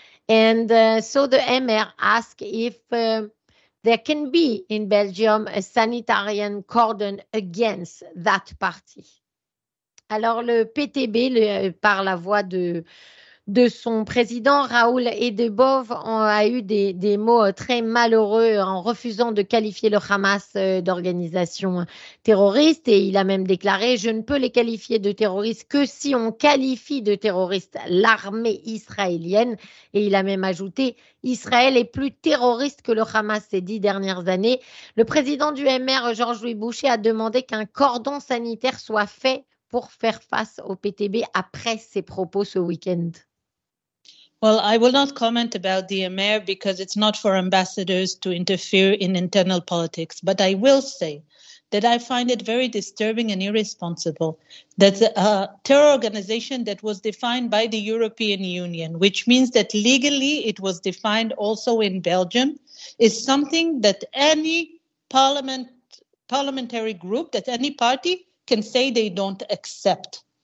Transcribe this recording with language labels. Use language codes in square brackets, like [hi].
[en] And so the MR asked if there can be in Belgium a sanitarian cordon against that party. [fr] Alors le PTB, par la voix de son président Raoul Edebouw, a eu des mots très malheureux en refusant de qualifier le Hamas d'organisation terroriste. Et il a même déclaré « Je ne peux les qualifier de terroristes que si on qualifie de terroristes l'armée israélienne ». Et il a même ajouté « Israël est plus terroriste que le Hamas ces 10 dernières années ». Le président du MR, Georges-Louis Boucher, a demandé qu'un cordon sanitaire soit fait pour faire face au PTB après ses propos ce week-end. [en] Well, I will not comment about the Emir because it's not for ambassadors to interfere in internal politics. But I will say that I find it very disturbing and irresponsible that a terror organization that was defined by the European Union, which means that legally it was defined also in Belgium, is something that any parliamentary group, that any party can say they don't accept.